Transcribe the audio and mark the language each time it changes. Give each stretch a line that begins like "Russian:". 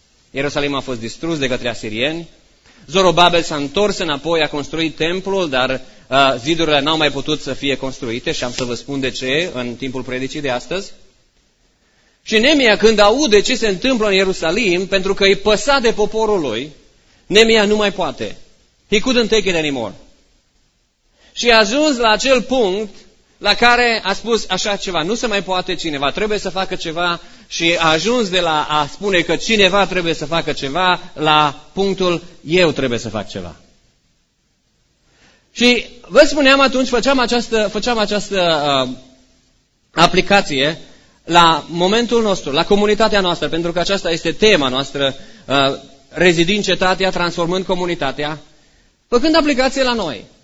Romanian: Ierusalim a fost distrus de către asirieni. Zorobabel s-a întors înapoi, a construit templul, dar zidurile n-au mai putut să fie construite și am să vă spun de ce în timpul predicii de astăzi. Și Neemia, când aude ce se întâmplă în Ierusalim, pentru că e păsat de poporul lui, Neemia nu mai poate.
English: He couldn't take it anymore.
Romanian: Și a ajuns la acel punct la care a spus așa ceva, nu se mai poate cineva, trebuie să facă ceva, și a ajuns de la a spune că cineva trebuie să facă ceva la punctul eu trebuie să fac ceva. Și vă spuneam atunci, făceam această aplicație la momentul nostru, la comunitatea noastră, pentru că aceasta este tema noastră, rezidind cetatea, transformând comunitatea, făcând aplicație la noi.